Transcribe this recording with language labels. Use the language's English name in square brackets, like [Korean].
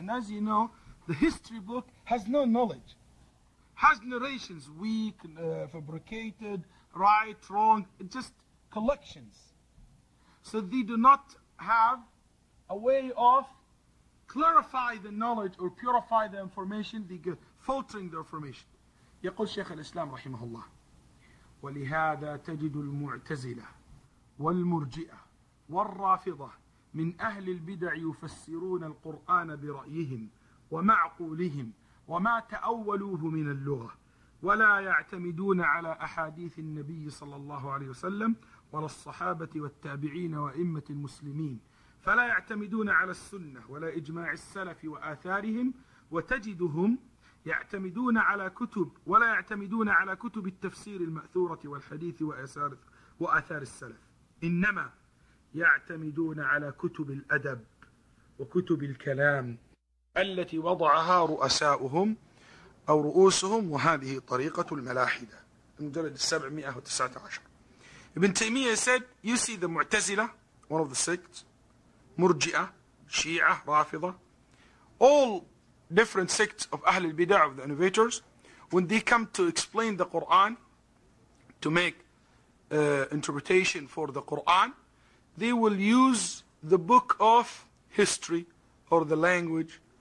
[English] And as you know, the history book has no knowledge, has narrations, weak, fabricated, right, wrong, it just collections. So they do not have a way of clarify the knowledge or purify the information, they go filtering the information. [Arabic] يقول شيخ الإسلام رحمه الله ولهذا تجد المعتزلة والمرجئة والرافضة من أهل البدع يفسرون القرآن برأيهم ومعقولهم وما تأولوه من اللغة ولا يعتمدون على أحاديث النبي صلى الله عليه وسلم ولا الصحابة والتابعين وأئمة المسلمين فلا يعتمدون على السنة ولا إجماع السلف وآثارهم وتجدهم يعتمدون على كتب ولا يعتمدون على كتب التفسير المأثورة والحديث وآثار السلف إنما يعتمدون على كتب الأدب وكتب الكلام التي وضعها رؤساؤهم أو رؤوسهم وهذه طريقة الملاحدة المجلد 719. [English] Ibn Taymiyyah said, you see the Mu'tazila, one of the sects, Murji'ah, Shi'ah, Rafidah, all different sects of Ahl al-Bida'ah, of the innovators, when they come to explain the Qur'an, to make interpretation for the Qur'an, they will use the book of history or the language.